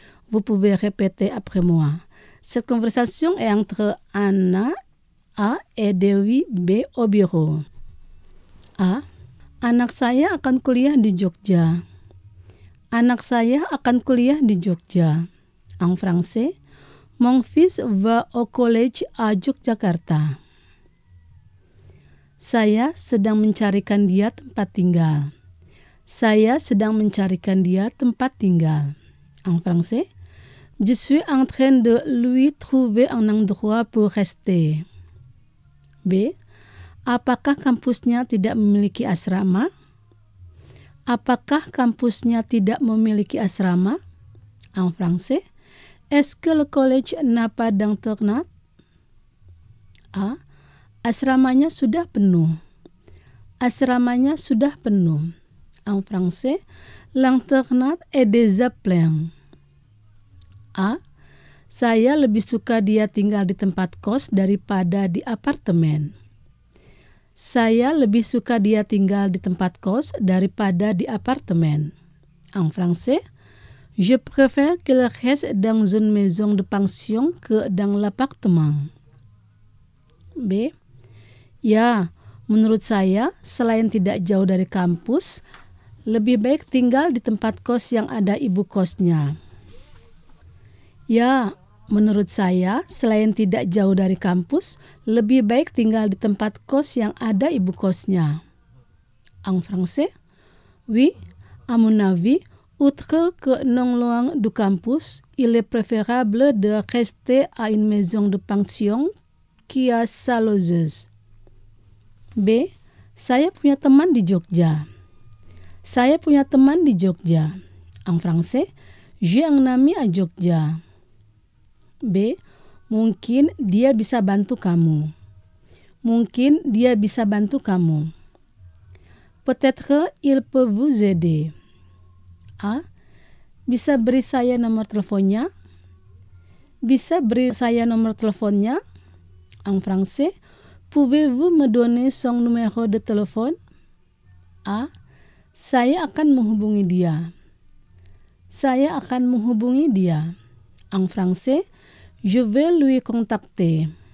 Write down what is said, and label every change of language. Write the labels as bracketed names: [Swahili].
[French] Vous pouvez répéter après moi. Cette conversation est entre Anna A et Dewi B au bureau. A. [Indonesian] Anak saya akan kuliah di Jogja. Anak saya akan kuliah di Jogja. [French] En français, mon fils va au collège à Yogyakarta. [Indonesian] Saya sedang mencarikan dia tempat tinggal. Saya sedang mencarikan dia tempat tinggal. [French] En français, je suis en train de lui trouver un endroit pour rester. B. [Indonesian] Apakah kampusnya tidak memiliki asrama? Apakah kampusnya tidak memiliki asrama? [French] En français, est-ce que le collège n'a pas d'internat? A. [Indonesian] Asramanya sudah penuh. Asramanya sudah penuh. [French] En français, l'internat est déjà plein. [Indonesian] A. Saya lebih suka dia tinggal di tempat kos daripada di apartemen. Saya lebih suka dia tinggal di tempat kos daripada di apartemen. [French] En français, je préfère qu'il reste dans une maison de pension que dans l'appartement. B. [Indonesian] Ya, menurut saya, selain tidak jauh dari kampus, lebih baik tinggal di tempat kos yang ada ibu kosnya. Ya, menurut saya, selain tidak jauh dari kampus, lebih baik tinggal di tempat kos yang ada ibu kosnya. [French] En français, oui, à mon avis, outre que non loin du campus, il est préférable de rester à une maison de pension qui a sa logeuse. B. [Indonesian] Saya punya teman di Jogja. Saya punya teman di Jogja. [French] En français, j'ai un ami à Jogja. B. [Indonesian] Mungkin dia bisa bantu kamu. Mungkin dia bisa bantu kamu. [French] Peut-être il peut vous aider. A. [Indonesian] Bisa beri saya nomor teleponnya? Bisa beri saya nomor teleponnya? [French] En français, pouvez-vous me donner son numéro de téléphone? A. [Indonesian] Saya akan menghubungi dia. Saya akan menghubungi dia. [French] En français, je vais lui contacter.